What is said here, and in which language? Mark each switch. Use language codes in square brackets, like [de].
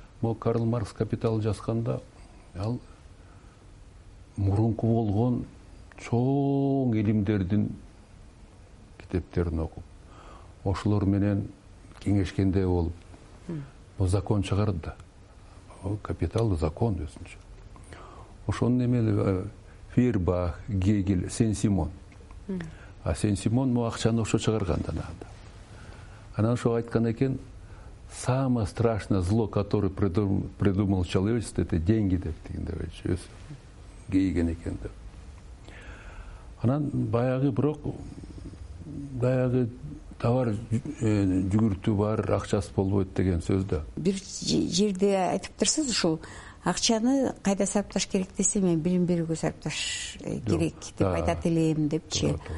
[ky] Могу Карл Маркс «Капитал» жазганда ал мурунку болгон чоң илимдердин китептерин окуп, ошолор менен кеңешкендей болуп, бул закон чыгарды. Бул «Капитал» закон өзүнчө. Ошонун эми эле Фейербах, Гегель, Сен-Симон. А Сен-Симон могу акчаны ошо чыгарган да анда. Анан ошо айткан экен: [ru] самое страшное зло, которое придумал человечество, это деньги, [ky] деп дегенде өзү кийген экен деп. Анан баягы, бирок баягы товар жүгүртүү бар, акчасы болбойт деген сөз да. Бир жерде айтыптырсыз, ушул акчаны кайда сарпташ керек десе, мен билим берүүгө сарпташ керек деп айтат элем депчи.